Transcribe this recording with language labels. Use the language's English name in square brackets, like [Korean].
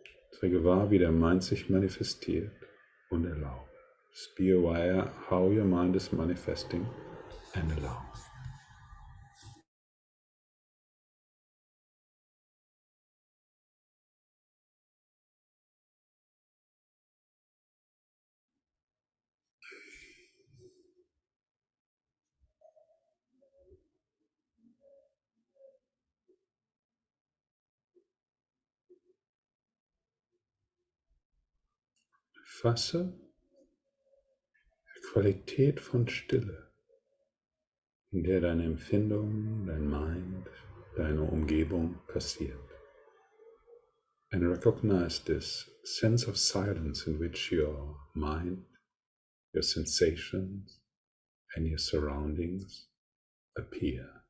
[German] Sei gewahr, wie der Mind sich manifestiert und erlaube. [English] Just be aware how your mind is manifesting and allow. [German] Fasse die Qualität von Stille, in der deine Empfindung, dein Mind, deine Umgebung passiert. [English] And recognize this sense of silence in which your mind, your sensations and your surroundings appear.